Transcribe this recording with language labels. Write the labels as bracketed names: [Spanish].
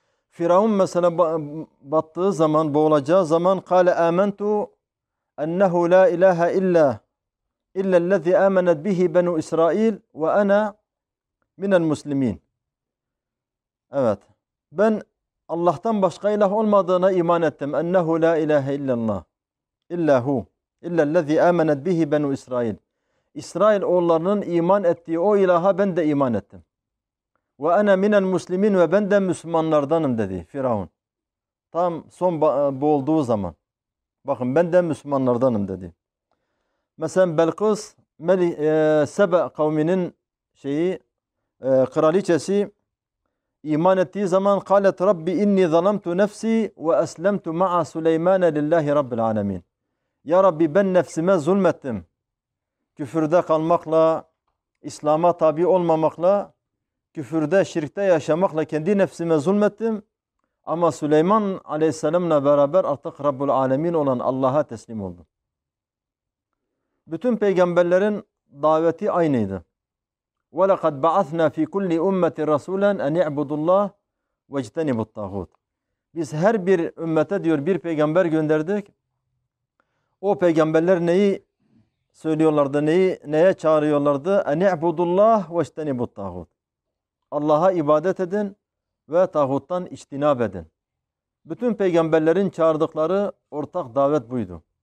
[Turkish] Firavun mesela battığı zaman, boğulacağı zaman [Arabic] قَالَ آمَنْتُ أَنَّهُ لَا إِلَٰهَ إِلَّا الَّذِي آمَنَتْ بِهِ بَنُوا إِسْرَائِيلِ وَأَنَا مِنَ الْمُسْلِمِينَ [Turkish] Evet, ben Allah'tan başka ilah olmadığına iman ettim. [Arabic] اَنَّهُ لَا إِلَٰهَ إِلَّا اللّٰهِ إِلَّا هُ إِلَّا الَّذِي آمَنَتْ بِهِ بَنُوا إِسْرَائِيلِ [Turkish] İsrail oğullarının iman ettiği o ilaha ben de iman ettim. [Arabic] وَاَنَا مِنَ الْمُسْلِمِينَ [Turkish] ve ben de Müslümanlardanım dedi Firavun. Tam son boğulduğu zaman. Bakın, ben de Müslümanlardanım dedi. Mesela Belkıs, Sebe kavminin kraliçesi iman ettiği zaman [Arabic] قَالَتْ رَبِّ اِنِّي ظَلَمْتُ نَفْسِي وَاَسْلَمْتُ مَعَ سُلَيْمَانَ لِلَّهِ رَبِّ الْعَالَمِينَ [Turkish] Ya Rabbi, ben nefsime zulmettim. Küfürde kalmakla, İslam'a tabi olmamakla, küfürde, şirkte yaşamakla kendi nefsime zulmettim. Ama Süleyman aleyhisselamla beraber artık Rabbul Alemin olan Allah'a teslim oldum. Bütün peygamberlerin daveti aynıydı. [Arabic] وَلَقَدْ بَعَثْنَا فِي كُلِّ اُمَّةٍ رَسُولًا اَنْ اِعْبُدُ اللّٰهِ وَاجْتَنِبُ الطَّاغُوتِ [Turkish] Biz her bir ümmete diyor bir peygamber gönderdik. O peygamberler neyi söylüyorlardı, neye çağırıyorlardı? [Arabic] اَنْ اِعْبُدُ اللّٰهِ وَاجْتَنِبُ الطَّاغُوتِ [Turkish] Allah'a ibadet edin ve tağuttan içtinab edin. Bütün peygamberlerin çağırdıkları ortak davet buydu.